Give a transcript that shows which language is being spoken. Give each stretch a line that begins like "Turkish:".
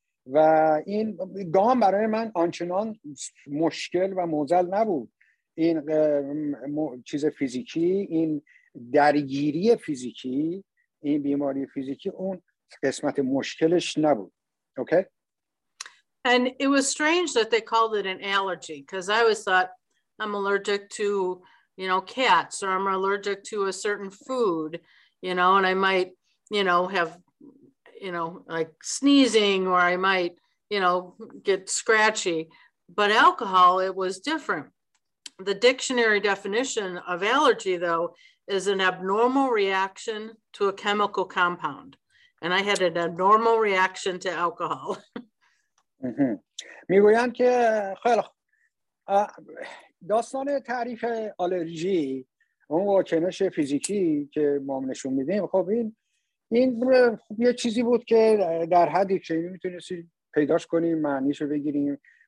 Persian: و این گام برای من آنچنان مشکل و موزل نبود. این چیز فیزیکی، این درگیری فیزیکی، این بیماری فیزیکی، اون قسمت مشکلش نبود.
English: Okay? And it was strange that they called it an allergy, because I always thought I'm allergic to, you know, cats, or I'm allergic to a certain food, you know, and I might, you know, have, you know, like sneezing, or I might, you know, get scratchy. But alcohol, it was different. The dictionary definition of allergy, though, is an abnormal reaction to a chemical compound. And I had an abnormal reaction to alcohol.
Persian: میگوین که خیلی داستان تعریف آلرژی، اون واکنش فیزیکی که ما نشون میدیم، خب این خب یه چیزی بود که در حدی که میتونستی پیداش کنیم، معنیشو بگیریم.